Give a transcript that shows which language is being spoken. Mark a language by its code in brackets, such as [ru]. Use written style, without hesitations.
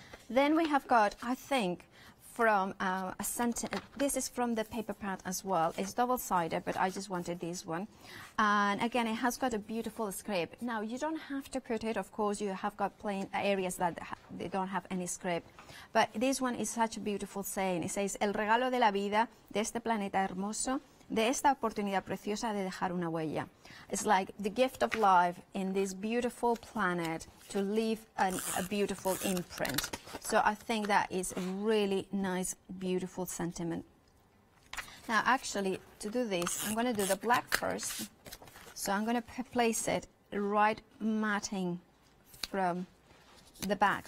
[en] Then we have got, I think, from a center, this is from the paper pad as well. It's double sided, but I just wanted this one. And again, it has got a beautiful scrape. Now, you don't have to put it, of course, you have got plain areas that they don't have any scrape. But this one is such a beautiful saying. It says, [es] el regalo de la vida, de este planeta hermoso, de esta oportunidad preciosa de dejar una huella. [en] It's like the gift of life in this beautiful planet to leave a beautiful imprint. So I think that is a really nice, beautiful sentiment. Now, actually, to do this, I'm going to do the black first. So I'm going to place it right matting from the back.